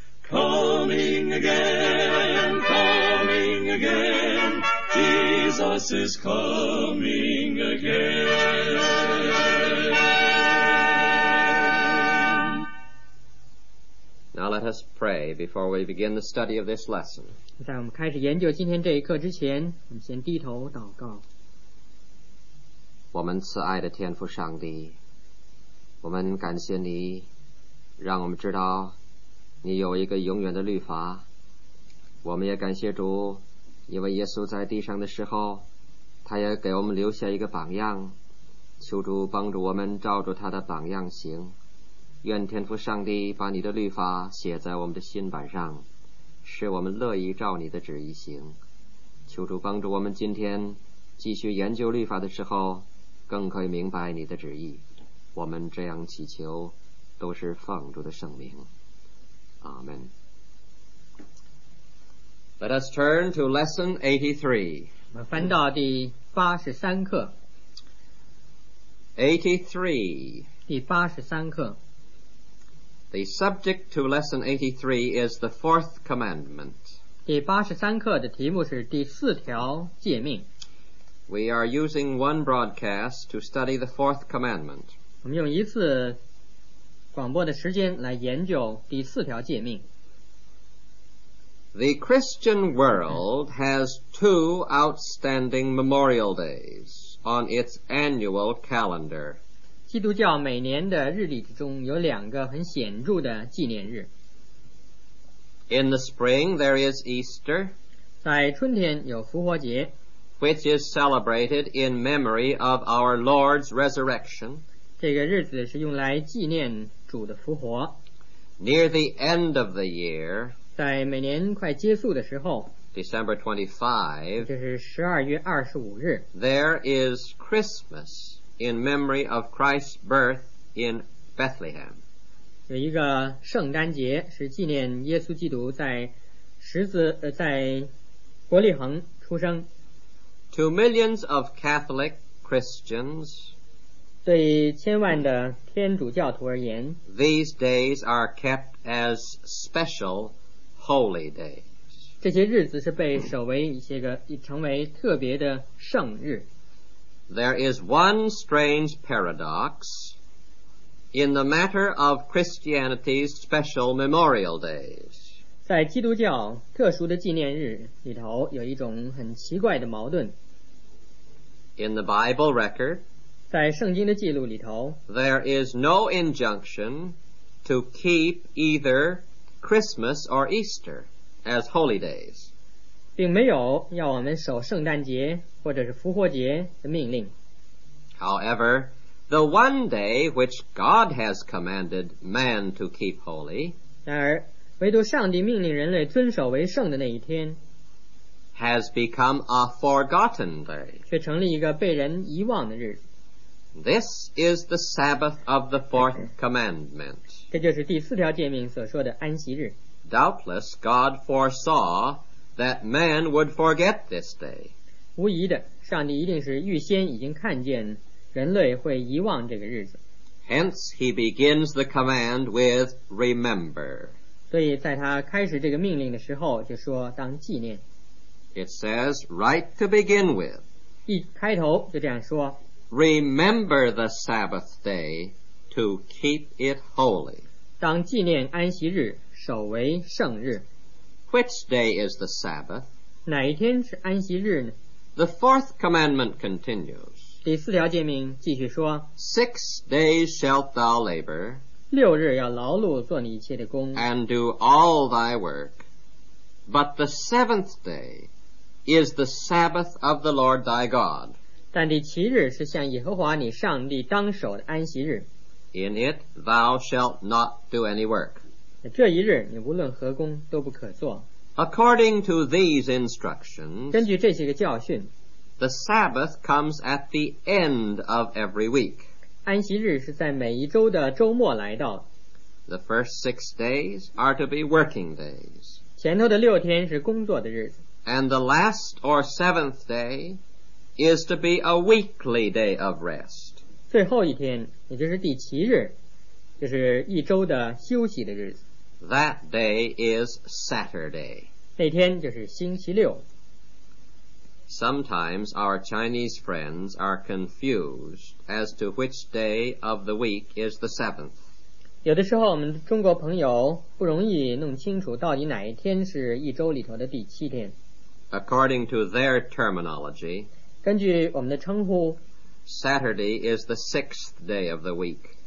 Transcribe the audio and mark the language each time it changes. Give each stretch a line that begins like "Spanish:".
English: Coming again, coming again, Jesus is coming again. Now let us pray before we begin the study of this lesson.
Chinese: 在我们开始研究今天这一课之前，我们先低头祷告。我们慈爱的天父上帝，我们感谢你，让我们知道你有一个永远的律法。我们也感谢主，因为耶稣在地上的时候，他也给我们留下一个榜样。求主帮助我们照着他的榜样行。愿天父上帝把你的律法写在我们的心板上，使我们乐意照你的旨意行。求主帮助我们今天继续研究律法的时候，更可以明白你的旨意。我们这样祈求，都是奉主的圣名。
English: Amen. Let us turn to lesson 83.
Chinese: 我们翻到第八十三课。
English: 83.
Chinese: 第八十三课。
English: The subject to lesson 83 is the fourth commandment.
Chinese: 第八十三课的题目是第四条诫命。
English: We are using one broadcast to study the fourth commandment.
Chinese: 我们用一次广播的时间来研究第四条诫命。
English: The Christian world has two outstanding memorial days on its annual calendar.
Chinese: 基督教每年的日历之中有两个很显著的纪念日。
English: In the spring there is Easter,
Chinese: 在春天有复活节，
English: which is celebrated in memory of our Lord's resurrection.
Chinese: 这个日子是用来纪念主的复活。
English: Near the end of the year,
Chinese: 在每年快结束的时候，
English: December 25,
Chinese: 就是12月25日，
English: there is Christmas in memory of Christ's birth in Bethlehem.
Chinese: 有一个圣诞节是纪念耶稣基督在在伯利恒出生。
English: To millions of Catholic Christians,
Chinese: 对千万的天主教徒而言，
English: These days are kept as special holy days.
Chinese: 这些日子是被守为一些个成为特别的圣日。
English: There is one strange paradox in the matter of Christianity's special memorial days.
Chinese: 在基督教特殊的纪念日里头有一种很奇怪的矛盾。
English: In the Bible record,
Chinese: 在圣经的记录里头，
English: There is no injunction to keep either Christmas or Easter as holy days.
Chinese: 并没有要我们守圣诞节或者是复活节的命令。
English: However, the one day which God has commanded man to keep holy,
Chinese: 然而唯独上帝命令人类遵守为圣的那一天，
English: has become a forgotten day,
Chinese: 却成了一个被人遗忘的日子。
English: This is the Sabbath of the fourth commandment.
Chinese: 这就是第四条诫命所说的安息日。
English: Doubtless God foresaw that man would forget this day.
Chinese: 无疑的，上帝一定是预先已经看见人类会遗忘这个日子。
English: Hence he begins the command with remember.
Chinese: 所以在他开始这个命令的时候就说当纪念。
English: It says right to begin with.
Chinese: 一开头就这样说，
English: Remember the Sabbath day to keep it holy.
Chinese: 当纪念安息日，守为圣日。
English: Which day is the Sabbath?
Chinese: 哪一天是安息日呢？
English: The fourth commandment continues.
Chinese: 第四条诫命继续说，
English: 6 days shalt thou labor,
Chinese: 六日要劳碌做你一切的工，
English: and do all thy work. But the seventh day is the Sabbath of the Lord thy God.
Chinese: 但第七日是向耶和华你上帝当守的安息日。
English: In it thou shalt not do any work.
Chinese: 这一日你无论何工都不可做。
English: According to these instructions,
Chinese: 根据这些个教训，
English: the Sabbath comes at the end of every week.
Chinese: 安息日是在每一周的周末来到。
English: The first 6 days are to be working days.
Chinese: 前头的六天是工作的日子。
English: And the last or seventh day is to be a weekly day of rest.
Chinese: 最后一天，也就是第七日，就是一周的休息的日子。
English: That day is Saturday.
Chinese: 那天就是星期六。
English: Sometimes our Chinese friends are confused as to which day of the week is the seventh.
Chinese: 有的时候我们中国朋友不容易弄清楚到底哪一天是一周里头的第七天。
English: According to their terminology,
Chinese: 根据我们的称呼，
English: Saturday is the sixth day of the week.